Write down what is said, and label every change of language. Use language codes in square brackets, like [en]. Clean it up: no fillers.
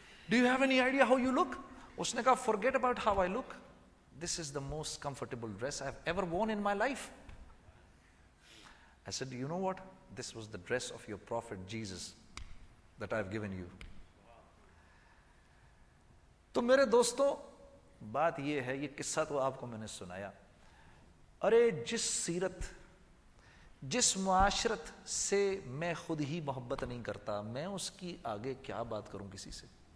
[en] Do you have any idea how you look? [hi] उसने कहा, [en] Forget about how I look, this is the most comfortable dress I have ever worn in my life. I said, you know what? This was the dress of your prophet Jesus that I have given you. [hi] तो मेरे दोस्तों बात ये है, ये किस्सा तो आपको मैंने सुनाया, अरे जिस सीरत जिस मुआशरत से मैं खुद ही मोहब्बत नहीं करता, मैं उसकी आगे क्या बात करूं किसी से।